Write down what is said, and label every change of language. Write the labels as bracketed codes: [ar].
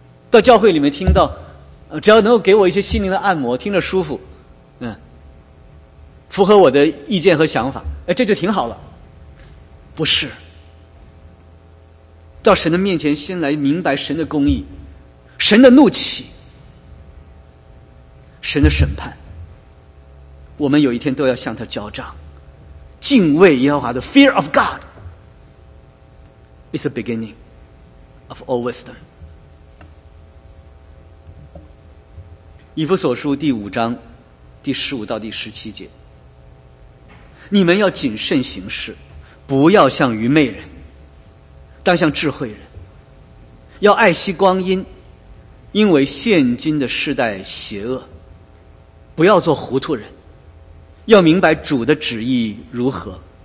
[zh] 到教会里面听到只要能够给我一些心灵的按摩，听着舒服，符合我的意见和想法，这就挺好了。不是，到神的面前先来明白神的公义，神的怒气，神的审判，我们有一天都要向他交账。敬畏耶和华的 [en] Fear of God is the beginning of all wisdom。 [zh] 以弗所书第五章第十五到第十七节，你们要谨慎行事，不要像愚昧人，当像智慧人，要爱惜光阴，因为现今的世代邪恶，不要做糊涂人，要明白主的旨意如何。